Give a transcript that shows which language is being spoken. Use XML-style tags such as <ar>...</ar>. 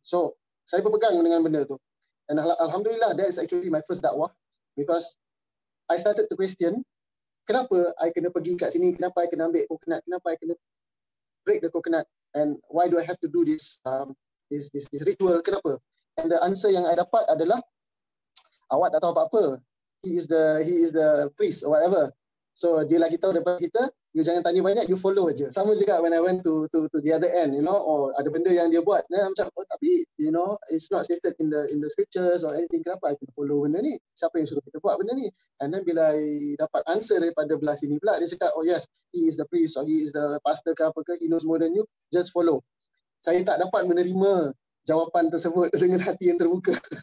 <ms>So, saya berpegang dengan benda tu.</ms> <en>And Alhamdulillah, that is actually my first dakwah because I started to question,</en> <ms>kenapa I kena pergi kat sini,</ms> <en>kenapa I kena ambil coconut, kenapa I kena break the coconut and why do I have to do this this ritual, kenapa? And the answer</en> <ms>yang I dapat adalah, awak tak tahu apa-apa.</ms> <en>He is the priest or whatever.</en> <ms>So, dia lagi tahu daripada kita, you jangan tanya banyak, you follow aje.</ms> <en>Sama juga when I went to the other end, you know,</en> <ms>or ada benda yang dia buat.</ms> <en>Then I'm macam, oh, tapi, you know, it's not stated in the scriptures or anything, kenapa I can follow</en> <ms>benda ni? Siapa yang suruh kita buat benda ni?</ms> <en>And then bila I dapat answer daripada belah sini pula, dia cakap, oh yes, he is the priest or he is the pastor ke apa ke, he knows more than you, just follow.</en> <ms>Saya tak dapat menerima jawapan tersebut dengan hati yang terbuka.</ms>